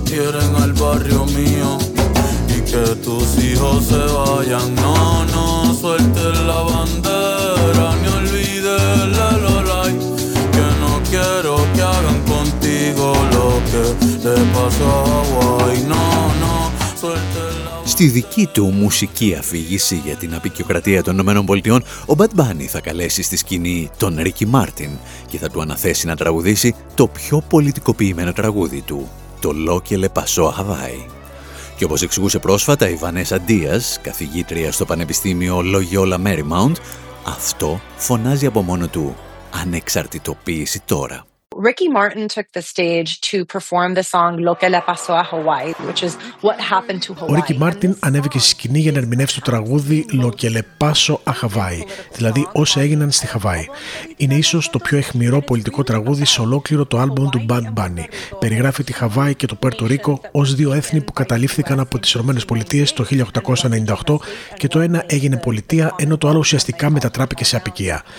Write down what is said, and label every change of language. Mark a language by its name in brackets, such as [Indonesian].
[Spanish] Que tus hijos se vayan, no, no sueltes la bandera, ni olvides la lolay, que no quiero que hagan contigo lo que te pasó a Hawaii, no, no sueltes. [Greek] Στη δική του μουσική αφήγηση για την αποικιοκρατία των Ηνωμένων Πολιτειών, ο Bad Bunny θα καλέσει στη σκηνή τον Ricky Martin και θα του αναθέσει να τραγουδήσει το πιο πολιτικοποιημένο τραγούδι του, το Lokele Paso Hawaii. Και όπως εξηγούσε πρόσφατα η Βανέσα Ντίας, καθηγήτρια στο Πανεπιστήμιο Loyola Marymount, αυτό φωνάζει από μόνο του ανεξαρτητοποίηση τώρα. [English] Ricky Martin took the stage to perform the song Lokele Paso a Hawaii, which is what happened to Hawaii. [Greek] Ο Ricky Martin ανέβηκε στη σκηνή για να ερμηνεύσει το τραγούδι Lokele Paso a Hawaii, δηλαδή όσα έγιναν στη Χαβάη. Είναι ίσως το πιο αιχμηρό πολιτικό τραγούδι σε ολόκληρο το άλμπουμ του Bad Bunny. Περιγράφει τη Χαβάη και το Πέρτο Ρίκο ως δύο έθνη που καταλήφθηκαν από τις Ηνωμένες Πολιτείες το 1898 και το ένα έγινε πολιτεία ενώ το άλλο ουσιαστικά μετατράπηκε σε αποικία.